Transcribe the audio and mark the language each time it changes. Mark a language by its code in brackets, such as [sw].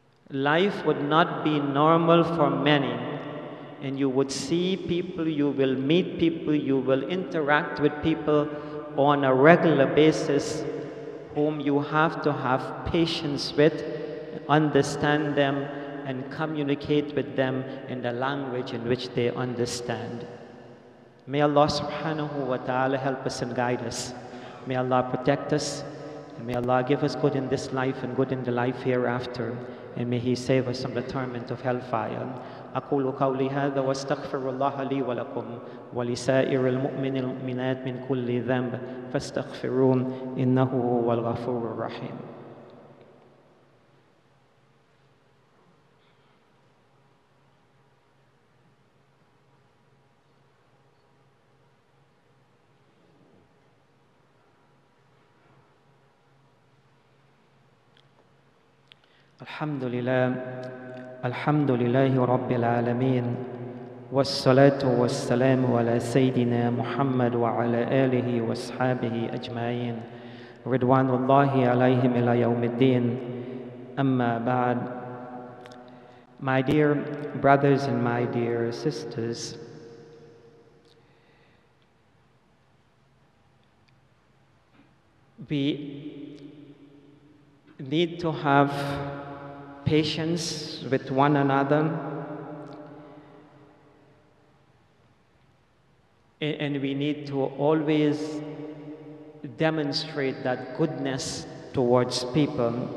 [en] Life would not be normal for many. And you would see people, you will meet people, you will interact with people on a regular basis, whom you have to have patience with, understand them, and communicate with them in the language in which they understand. May Allah subhanahu wa ta'ala help us and guide us. May Allah protect us. And may Allah give us good in this life and good in the life hereafter. And may He save us from the torment of hellfire. [ar] أقول قولي هذا واستغفر الله لي ولكم ولسائر المؤمنين المؤمنات من كل ذنب فاستغفرون إنه هو الغفور الرحيم. الحمد لله. الحمد لله رب العالمين والصلاة والسلام على سيدنا محمد وعلى آله وصحبه أجمعين رضوان الله عليهم إلى يوم الدين أما بعد. [en] My dear brothers and my dear sisters, we need to have patience with one another, and we need to always demonstrate that goodness towards people.